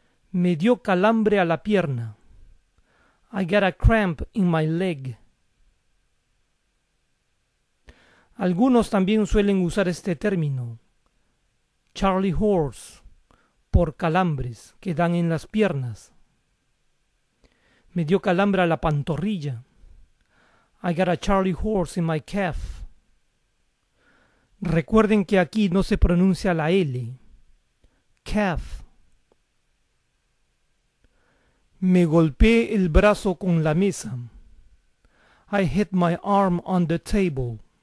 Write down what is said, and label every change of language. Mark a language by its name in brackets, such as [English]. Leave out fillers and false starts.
[Spanish] Me dio calambre a la pierna. [English] I got a cramp in my leg. [Spanish] Algunos también suelen usar este término. Charlie Horse por calambres que dan en las piernas. Me dio calambre a la pantorrilla. [English] I got a Charlie Horse in my calf. [Spanish] Recuerden que aquí no se pronuncia la L. Calf. Me golpeé el brazo con la mesa. [English] I hit my arm on the table.